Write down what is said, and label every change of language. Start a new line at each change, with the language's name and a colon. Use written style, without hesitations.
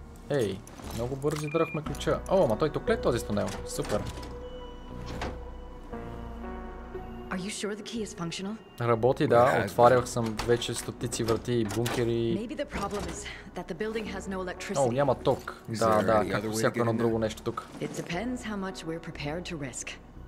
Bulgarian: Ей, много бързо дръхме ключа. О, ама той тук ли е този тунел? Супер.
English: Are you sure the key is functional?
Bulgarian: Работи, да. Отварях съм вече стотици врати и бункери.
English: Maybe the problem is that the building has no electricity.
Bulgarian: О, няма ток. Да, да, както всяко едно друго нещо тук.
English: It depends how much we're prepared to risk.